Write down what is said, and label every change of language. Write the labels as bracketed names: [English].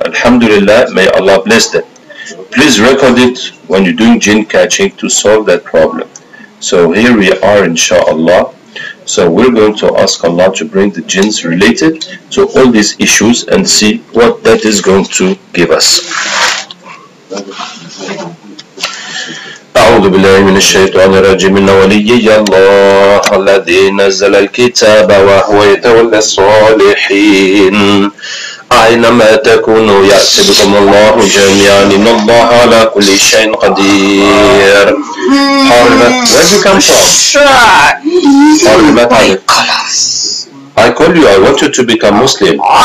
[English] Alhamdulillah, may Allah bless them. Please record it when you're doing jinn catching to solve that problem. So here we are, inshallah. So we're going to ask Allah to bring the jinns related to all these issues and see what that is going to give us. [Arabic] أعوذ بالله من الشيطان الرجيم إن ولي الله الذي نزل الكتاب وهو يتولى الصالحين أينما تكونوا يأتي بكم الله جميعا إن الله على كل شيء قدير. حرمت [English] Where did you come from? [Arabic] حرمت [English] I called you, I want you to become Muslim.